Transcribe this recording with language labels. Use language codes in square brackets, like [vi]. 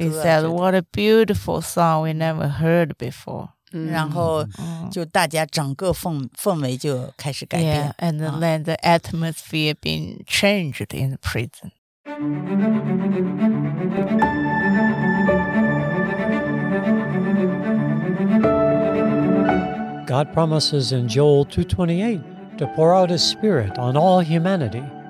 [en] He said, what a beautiful song we never heard before. [zh] 然后就大家整个氛围就开始改变。 [en] Yeah, and then the atmosphere being changed in the prison. God promises in Joel 2:28 to pour out His Spirit on all humanity.